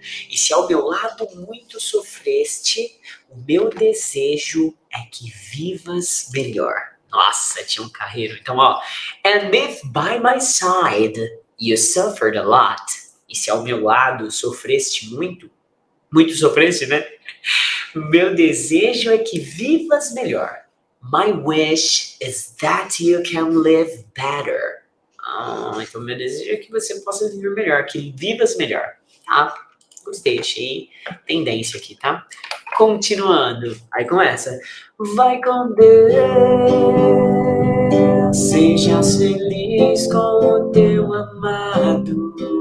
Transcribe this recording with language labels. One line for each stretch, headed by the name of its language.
Portuguese: E se ao meu lado muito sofreste, o meu desejo é que vivas melhor. Nossa, tinha um carreiro. Então, ó.
English: And if by my side you suffered a lot.
Portuguese: E se ao meu lado sofreste muito. Muito sofreste, né? Meu desejo é que vivas melhor.
English: My wish is that you can live better.
Portuguese: Ah, então meu desejo é que você possa viver melhor, que vivas melhor, tá? Gostei, achei tendência aqui, tá? Continuando, aí começa. Vai com Deus, seja feliz com o teu amado.